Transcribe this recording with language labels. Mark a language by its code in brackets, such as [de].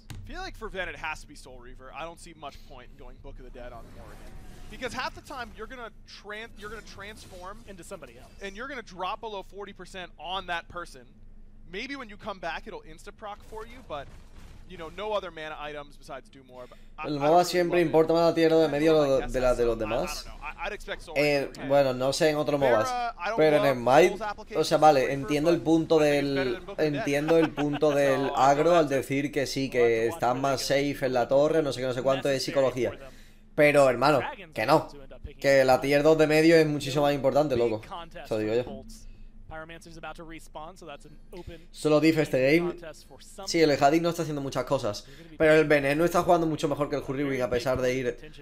[en] I feel like for Ven, it has to be Soul Reaver. I don't see much point in going Book of the Dead on Morrigan. Because half the time, you're gonna transform... into somebody else. And you're gonna drop below 40% on that person. Maybe when you come back, it'll insta-proc for you, but... You know, no other mana items besides Doomore. [es] El MOBA siempre importa más la tierra de medio de la de los demás. Bueno, no sé en otros MOBAs, pero en Smite, o sea, vale, entiendo el punto del agro al decir que sí, que está más safe en la torre, no sé qué, no sé cuánto de psicología. Pero, hermano, que no. Que la tier 2 de medio es muchísimo más importante, loco. Eso digo yo. [en] Pyromancer is about to respawn, so that's an open. [es] Solo dice este game. Sí, el Jadi no está haciendo muchas cosas, pero el veneno está jugando mucho mejor que el Hurricane a pesar de ir.